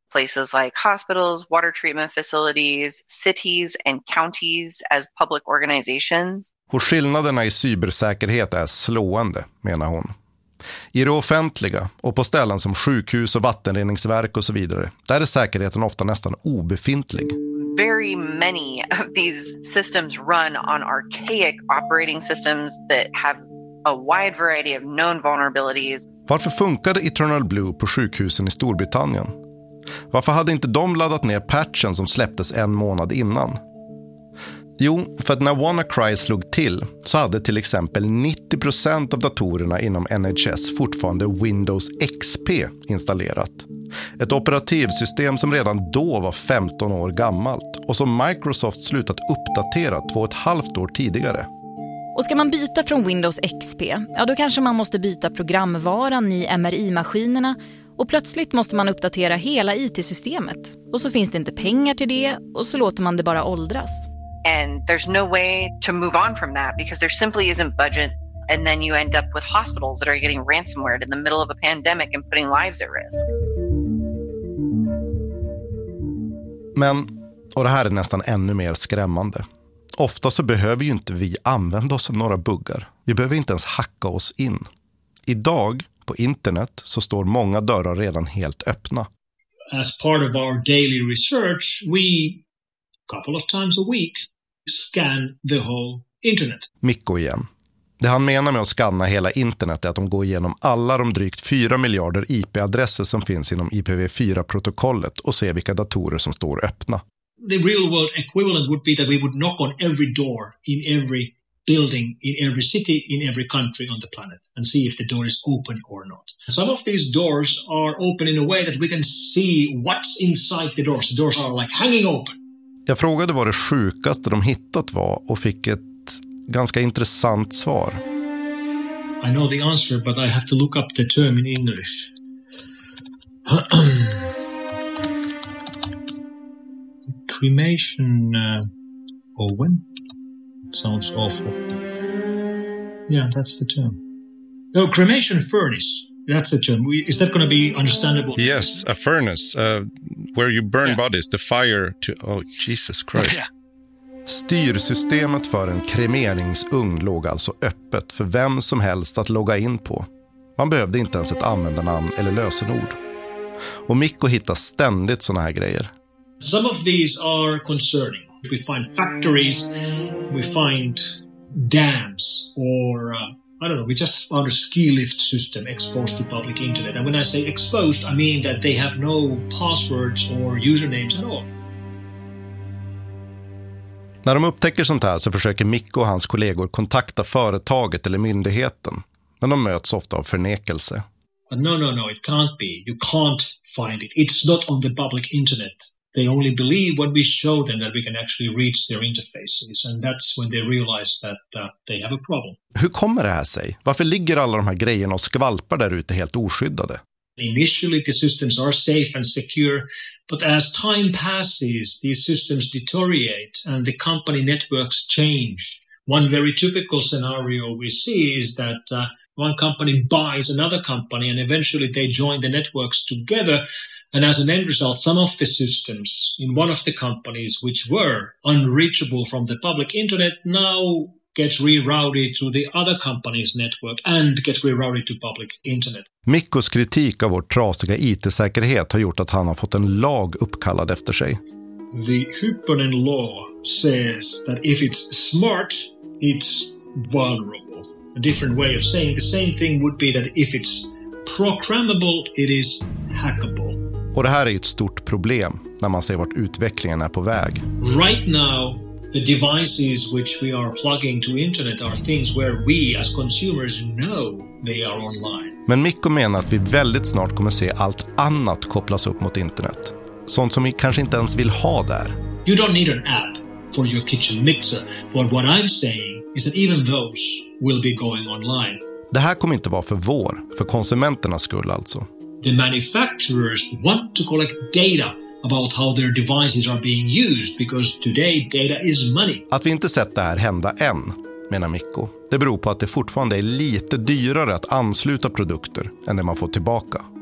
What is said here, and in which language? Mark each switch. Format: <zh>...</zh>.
<en>Places like hospitals, water treatment facilities, cities and counties as public organizations.</en> <sv>Och skillnaderna i cybersäkerhet är slående, menar hon. I det offentliga och på ställen som sjukhus och vattenreningsverk och så vidare, där är säkerheten ofta nästan obefintlig.</sv> <en>Very many of these systems run on archaic operating systems that have a wide variety of known vulnerabilities.</en> <sv>Varför funkade Eternal Blue på sjukhusen i Storbritannien? Varför hade inte de laddat ner patchen som släpptes en månad innan? Jo, för att när WannaCry slog till så hade till exempel 90% av datorerna inom NHS fortfarande Windows XP installerat. Ett operativsystem som redan då var 15 år gammalt och som Microsoft slutat uppdatera 2,5 år tidigare. Och ska man byta från Windows XP, ja då kanske man måste byta programvaran i MRI-maskinerna. Och plötsligt måste man uppdatera hela IT-systemet. Och så finns det inte pengar till det och så låter man det bara åldras.</sv> <en>And there's no way to move on from that because there simply isn't budget, and then you end up with hospitals that are getting ransomware in the middle of a pandemic and putting lives at risk.</en> <sv>Men, och det här är nästan ännu mer skrämmande. Ofta så behöver ju inte vi använda oss av några buggar. Vi behöver inte ens hacka oss in. Idag på internet så står många dörrar redan helt öppna.</sv> <en>As part of our daily research, we couple of times a week scan the whole internet.</en> <sv>Mikko igen. Det han menar med att skanna hela internet är att de går igenom alla de drygt 4 miljarder IP-adresser som finns inom IPv4-protokollet och ser vilka datorer som står öppna.</sv> <en>The real world equivalent would be that we would knock on every door in every building, in every city, in every country on the planet and see if the door is open or not. Some of these doors are open in a way that we can see what's inside the doors. The doors are like hanging open. Jag frågade vad det sjukaste de hittat var och fick ett ganska intressant svar. I know the answer, but I have to look up the term in English. Cremation oven? Sounds awful. Yeah, that's the term. Oh, cremation furnace. That's the term. Is that going to be understandable? Yes, a furnace where you burn bodies, the fire to... Oh, Jesus Christ. Yeah.</en> <sv>Styrsystemet för en kremeringsugn låg alltså öppet för vem som helst att logga in på. Man behövde inte ens ett användarnamn eller lösenord. Och Mikko hittar ständigt såna här grejer.</sv> <en>Some of these are concerning. We find factories, we find dams or... I don't know, we just found a ski lift system exposed to public internet. And when I say exposed, I mean that they have no passwords or usernames at all.</en> <sv>När de upptäcker sånt här så försöker Mikko och hans kollegor kontakta företaget eller myndigheten. Men de möts ofta av förnekelse.</sv> <en>But no, it can't be. You can't find it. It's not on the public internet. They only believe when we show them that we can actually reach their interfaces, and that's when they realize that they have a problem.</en> <sv>Hur kommer det här sig? Varför ligger alla de här grejerna och skvalpar där ute helt oskyddade?</sv> <en>Initially the systems are safe and secure, but as time passes these systems deteriorate and the company networks change. One very typical scenario we see is that one company buys another company and eventually they join the networks together. And as an end result, some of the systems in one of the companies which were unreachable from the public internet now gets rerouted to the other company's network and gets rerouted to public internet.</en> <sv>Mikkos kritik av vår trasiga IT-säkerhet har gjort att han har fått en lag uppkallad efter sig.</sv> <en>The Hyppönen law says that if it's smart, it's vulnerable. A different way of saying the same thing would be that if it's programmable, it is hackable.</en> <sv>Och det här är ett stort problem när man ser vart utvecklingen är på väg.</sv> <en>Right now, the devices which we are plugging to internet are things where we as consumers know they are online.</en> <sv>Men Mikko menar att vi väldigt snart kommer se allt annat kopplas upp mot internet. Sånt som vi kanske inte ens vill ha där.</sv> <en>You don't need an app for your kitchen mixer, but what I'm saying is that even those will be going online.</en> <sv>Det här kommer inte vara för konsumenternas skull alltså.</sv> <en>The manufacturers want to collect data about how their devices are being used, because today data is money.</en> <sv>Att vi inte sett det här hända än, menar Mikko. Det beror på att det fortfarande är lite dyrare att ansluta produkter än det man får tillbaka.</sv>